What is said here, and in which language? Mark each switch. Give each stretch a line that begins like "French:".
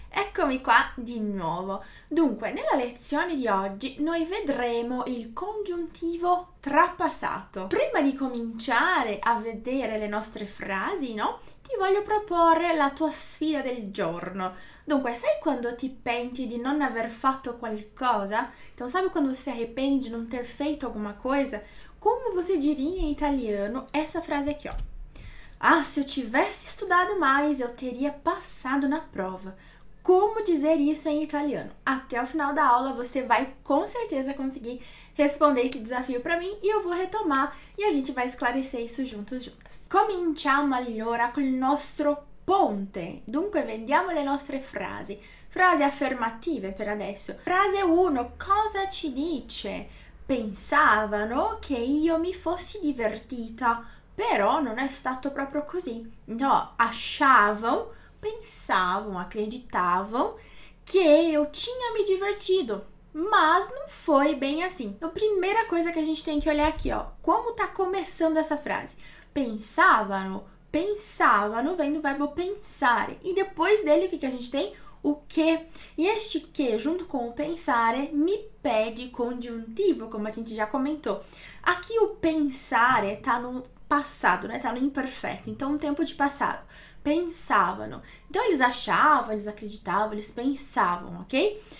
Italian: Eccomi qua di nuovo. Dunque, nella lezione di oggi noi vedremo il congiuntivo trapassato. Prima di cominciare a vedere le nostre frasi, no? Ti voglio proporre la tua sfida del giorno. Dunque, sai quando ti penti di non aver fatto qualcosa?
Portuguese: Então, sabe quando si arrepende di non ter feito alguma coisa? Como você diria in italiano essa frase aqui, ó? Ah, se eu tivesse estudado mais, eu teria passado na prova. Como dizer isso em italiano? Até o final da aula você vai com certeza conseguir responder esse desafio para mim e eu vou retomar e a gente vai esclarecer isso juntos, juntas.
Italian: Cominciamo allora col nostro ponte. Dunque, vediamo le nostre frasi. Frasi affermative per adesso. Frase 1. Cosa ci dice? Pensavano che io mi fossi divertita. Però non è stato proprio così.
Portuguese: No, achavam, pensavam, acreditavam que eu tinha me divertido. Mas não foi bem assim. Então, primeira coisa que a gente tem que olhar aqui, ó. Como tá começando essa frase? Pensavam, pensavam, vem do verbo pensare. E depois dele, o que a gente tem? O que. E este que, junto com o pensare, me pede congiuntivo, como a gente já comentou. Aqui o pensare tá no passado, né? Tá no imperfeito, então um tempo de passado. Pensavam. Então eles achavam, eles acreditavam, eles pensavam, ok?